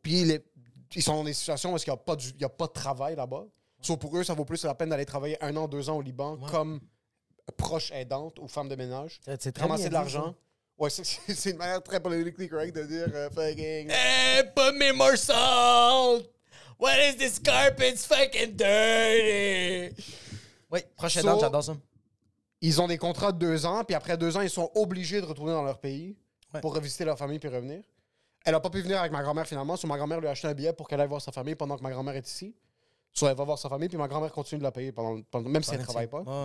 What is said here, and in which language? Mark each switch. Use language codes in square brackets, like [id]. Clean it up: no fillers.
[fr] Puis ils sont dans des situations où est-ce qu'il n'y a pas de travail là-bas. So, pour eux, ça vaut plus la peine d'aller travailler un an, deux ans au Liban comme proche aidante ou femme de ménage. C'est très bien de l'argent. Ça. Ouais, c'est une manière très [en] politically correct [fr] de dire fucking. [en] Hey, put me more salt! What is this carpet's fucking dirty? [fr] Oui, prochaine date, j'adore ça. Ils ont des contrats de 2 ans, puis après 2 ans, ils sont obligés de retourner dans leur pays pour revisiter leur famille puis revenir. Elle a pas pu venir avec ma grand-mère finalement, sauf ma grand-mère lui a acheté un billet pour qu'elle aille voir sa famille pendant que ma grand-mère est ici. Soit elle va voir sa famille, puis ma grand-mère continue de la payer pendant même si elle travaille pas.